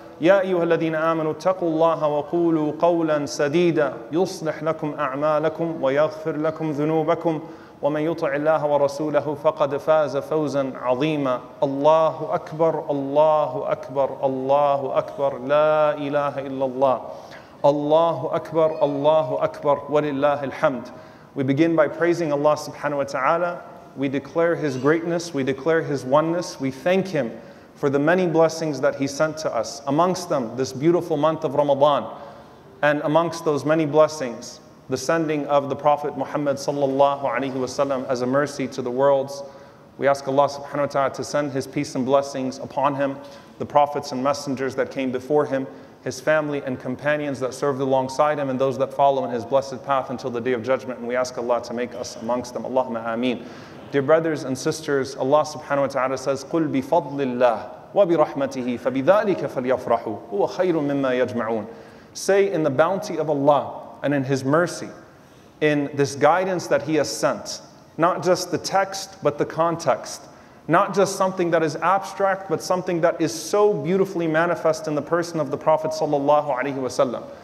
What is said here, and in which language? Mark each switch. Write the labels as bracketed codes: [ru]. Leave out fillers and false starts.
[ar] يا أيها الذين آمنوا اتقوا الله وقولوا قولا سديدا يصلح لكم أعمالكم ويغفر لكم ذنوبكم ومن يطع الله ورسوله فقد فاز فوزا عظيما الله أكبر الله أكبر الله أكبر لا إله إلا الله الله أكبر الله أكبر ولله الحمد. [en] We begin by praising Allah subhanahu wa ta'ala. We declare His greatness, we declare His oneness, we thank Him for the many blessings that He sent to us, amongst them this beautiful month of Ramadan, and amongst those many blessings, the sending of the Prophet Muhammad sallallahu alaihi wasallam as a mercy to the worlds. We ask Allah subhanahu wa ta'ala to send His peace and blessings upon him, the prophets and messengers that came before him, his family and companions that served alongside him, and those that follow in his blessed path until the day of judgment. And we ask Allah to make us amongst them. [ar] Allahumma ameen. [en] Dear brothers and sisters, Allah subhanahu wa ta'ala says, [ar] قُلْ بِفَضْلِ اللَّهِ وَبِرَحْمَتِهِ فَبِذَٰلِكَ فَلْيَفْرَحُوا هُوَ خَيْرٌ مِمَّا يَجْمَعُونَ. [en] Say, in the bounty of Allah and in His mercy, in this guidance that He has sent, not just the text, but the context, not just something that is abstract, but something that is so beautifully manifest in the person of the Prophet sallallahu alaihi wasallam.